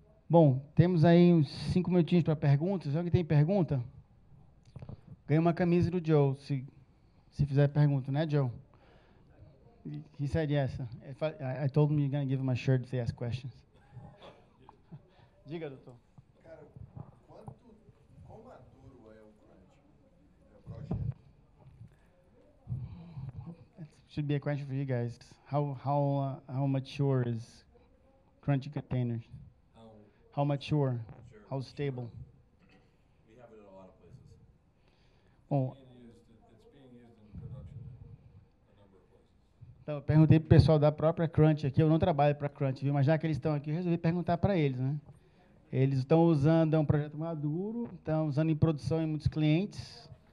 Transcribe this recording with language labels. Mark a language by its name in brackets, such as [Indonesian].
[Portuguese] Bom, temos aí uns 5 minutinhos para perguntas. Alguém tem pergunta? Ganha uma camisa do Joe, se fizer pergunta, né, Joe? [English] He said yes. I told him you're going to give him a shirt if they ask questions. [Portuguese] Diga, doutor. Cara, quão maduro é o Crunch? [English] It should be a question for you guys. How mature is Crunch Containers? How mature? Sure. How stable? We have it in a lot of places. [Portuguese] Bom, [English] it's being used in production in a number of places. [Portuguese] Então, eu perguntei para o pessoal da própria Crunch aqui. Eu não trabalho para a Crunch, viu? Mas já que eles estão aqui, eu resolvi perguntar para eles, né? Eles estão usando, é um projeto maduro, estão usando em produção em muitos clientes.